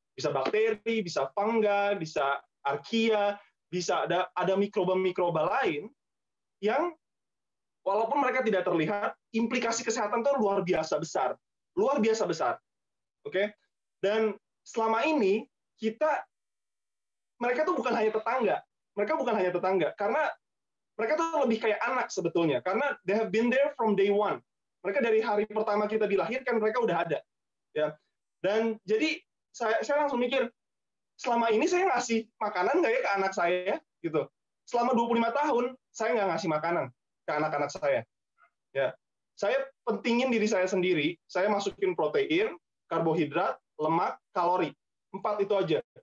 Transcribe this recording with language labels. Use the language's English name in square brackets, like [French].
[Indonesian] Bisa bakteri, bisa fungi, bisa archaea, bisa ada mikroba-mikroba lain yang walaupun mereka tidak terlihat, implikasi kesehatan tuh luar biasa besar. Luar biasa besar. Oke? Okay? Dan selama ini mereka tuh bukan hanya tetangga. Mereka bukan hanya tetangga. Karena mereka tuh lebih kayak anak sebetulnya. Karena [English] they have been there from day one. [Indonesian] Mereka dari hari pertama kita dilahirkan, mereka udah ada. Ya. Dan jadi saya langsung mikir, selama ini saya ngasih makanan nggak ya ke anak saya? Gitu. Selama 25 tahun, saya nggak ngasih makanan ke anak-anak saya. Ya. Saya pentingin diri saya sendiri, saya masukin protein, karbohidrat, lemak, kalori. 4 itu aja.